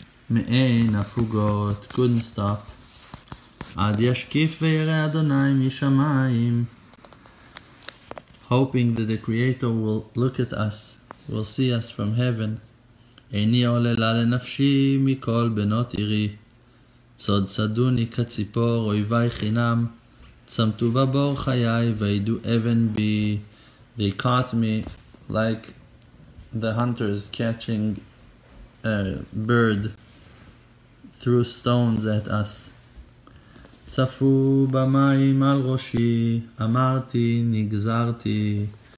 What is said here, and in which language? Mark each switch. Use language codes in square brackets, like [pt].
[he] מאין הפוגות, [en] couldn't stop. [he] עד ישקיף וירא אדוני משמיים. [en] Hoping that the Creator will look at us, will see us from heaven. [he] איני עוללה לנפשי מכל בנות עירי. צוד צדוני כציפור אויבי חינם. צמתו בבור חיי וידו אבן בי. [en] They caught me like the hunters catching a bird. Threw stones at us. [he] Tzafu b'mayim al roshi, amarti nigzarti.